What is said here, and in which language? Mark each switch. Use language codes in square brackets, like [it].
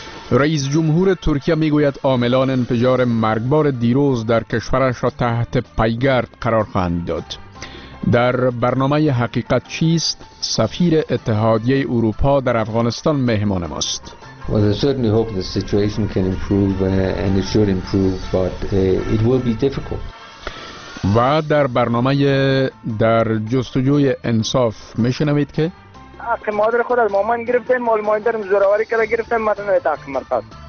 [fa] رئیس جمهور ترکیه میگوید عاملان انفجار مرگبار دیروز در کشورش را تحت پیگرد قرار خواهند داد. در برنامه حقیقت چیست سفیر اتحادیه اروپا در افغانستان مهمان ماست. [en] Well, I certainly hope the situation can improve and it should improve, but it will be difficult. [fa] و در برنامه در جستجوی انصاف میشنوید که حق مادر خود از مامان گرفتیم، مال مادرم زوراوری کرده گرفتیم، مادرم از حق مرکز.